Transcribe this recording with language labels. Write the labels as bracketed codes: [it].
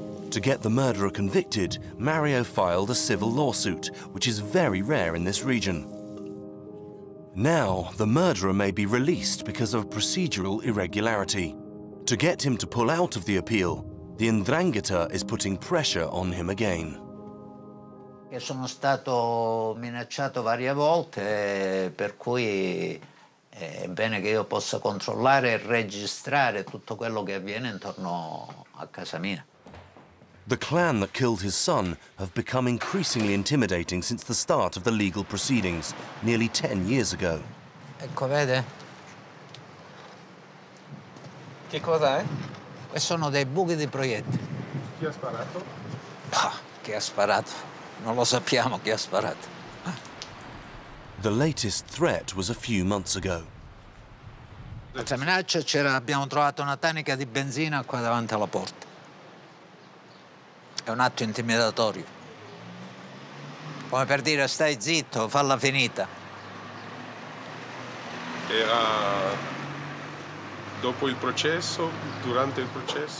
[en] To get the murderer convicted, Mario filed a civil lawsuit, which is very rare in this region. Now, the murderer may be released because of procedural irregularity. To get him to pull out of the appeal, the Ndrangheta is putting pressure on him again. [it] Che sono stato minacciato varie volte, per cui è bene che io possa controllare e registrare tutto quello che avviene intorno a casa mia. [en] The clan that killed his son have become increasingly intimidating since the start of the legal proceedings, nearly 10 years ago. [it] Ecco, vede? Che cosa è? Questi sono dei buchi di proiettile. Chi ha sparato? Ah, chi ha sparato? Non lo sappiamo chi ha sparato. [en] The latest threat was a few months ago. [it] L'altra minaccia c'era, abbiamo trovato una tanica di benzina qua davanti alla porta. È un atto intimidatorio. Come per dire, stai zitto, falla finita. Era dopo il processo, durante il processo?